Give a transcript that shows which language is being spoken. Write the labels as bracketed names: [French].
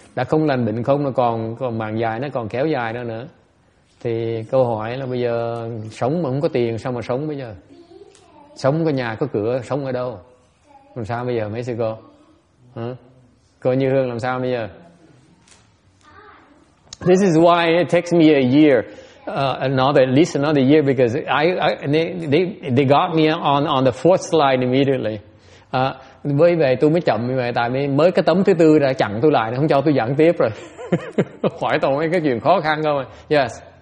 [Vietnamese] Đã không lành bệnh không, nó còn màn dài, nó còn kéo dài nữa nữa. Thì câu hỏi là bây giờ sống mà không có tiền, sao mà sống bây giờ? Sống có nhà có cửa, sống ở đâu? Làm sao bây giờ mấy sư cô? Cô Như Hương làm sao bây giờ? [English] This is why it takes me a year, at least another year, because they got me on the fourth slide immediately. [Vietnamese] Với vậy tôi mới chậm như vậy, tại vì mới cái tấm thứ tư đã chặn tôi lại, không cho tôi giảng tiếp rồi. Khỏi tổng mấy cái chuyện khó khăn không? Yes.